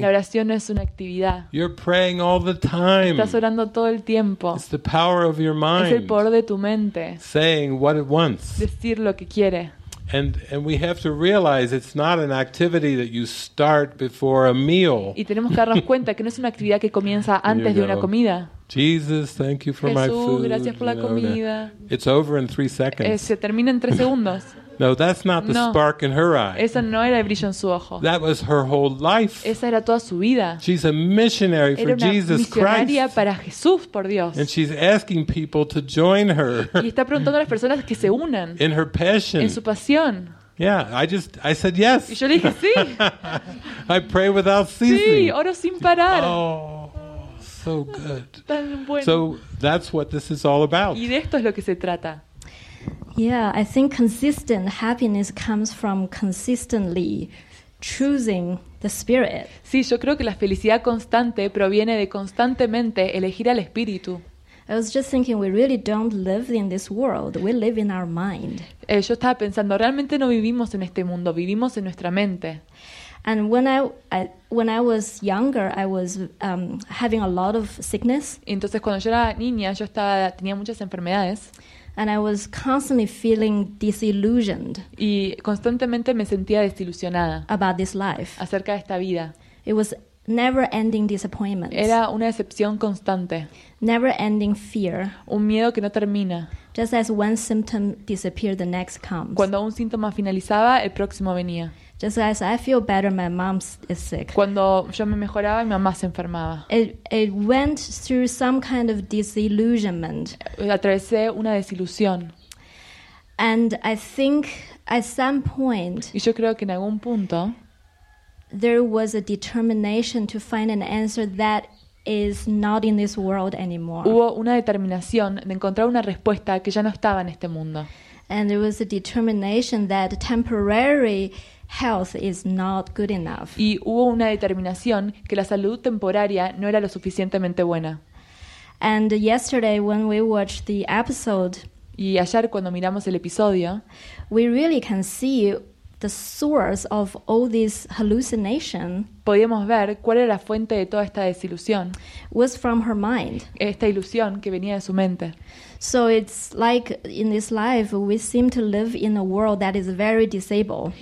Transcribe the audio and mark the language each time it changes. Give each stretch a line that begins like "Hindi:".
Spanish: La oración no es una actividad.
English: You're praying all the time.
Spanish: Estás orando todo el tiempo.
English: It's the power of your mind.
Spanish: Es el poder de tu mente.
English: Saying what it wants.
Spanish: Decir lo que quiere.
English: And we have to realize it's not an activity that you start before a meal.
Spanish: Y tenemos que darnos cuenta que no es una actividad que comienza antes de una comida.
English: Jesus, thank you for
Spanish: Jesús,
English: my food.
Spanish: Gracias por la comida.
English: It's over in 3 seconds.
Spanish: Se termina en 3 segundos.
English: No, that's not the spark in her eye.
Spanish: Esa no era el brillo en su ojo.
English: That was her whole life.
Spanish: Esa era toda su vida.
English: She's a missionary for Jesus Christ.
Spanish: Era una misionaria para Jesús, por Dios.
English: And she's asking people to join her.
Spanish: Y está preguntando a las personas que se unan.
English: In her passion.
Spanish: En su pasión.
English: Yeah, I said yes.
Spanish: Y yo le dije sí.
English: I pray without ceasing.
Spanish: Sí, oro sin parar.
English: Oh, so good.
Spanish: Tan bueno.
English: So that's what this is all about.
Spanish: Y de esto es lo que se trata.
English: Yeah, I think consistent happiness comes from consistently choosing the spirit.
Spanish: Sí, yo creo que la felicidad constante proviene de constantemente elegir al espíritu.
English: I was just thinking we really don't live in this world. We live in our mind.
Spanish: Yo estaba pensando, realmente no vivimos en este mundo, vivimos en nuestra mente.
English: And when I was younger, I was having a lot of sickness.
Spanish: Entonces cuando yo era niña, yo estaba tenía muchas enfermedades.
English: And I was constantly feeling disillusioned.
Spanish: Y constantemente me sentía desilusionada.
English: About this life.
Spanish: Acerca de esta vida.
English: It was never-ending disappointment.
Spanish: Era una decepción constante.
English: Never-ending fear.
Spanish: Un miedo que no termina.
English: Just as one symptom disappeared, the next comes.
Spanish: Cuando un síntoma finalizaba, el próximo venía.
English: Just as I feel better, my mom is sick.
Spanish: Cuando yo me mejoraba, mi mamá se enfermaba.
English: It went through some kind of disillusionment.
Spanish: Atravesé una desilusión.
English: And I think at some point.
Spanish: Y yo creo que en algún punto.
English: There was a determination to find an answer that is not in this world anymore.
Spanish: Hubo una determinación de encontrar una respuesta que ya no estaba en este mundo.
English: And there was a determination that temporary health is not good enough.
Spanish: Y hubo una determinación que la salud temporaria no era lo suficientemente buena.
English: And yesterday when we watched the episode,
Spanish: y ayer cuando miramos el episodio,
English: we really can see the source of all this hallucination.
Spanish: Podíamos ver cuál era la fuente de toda esta desilusión.
English: Was from her mind.
Spanish: Esta ilusión que venía de su mente.
English: So it's like in this life we seem to live in a world that is very disabled.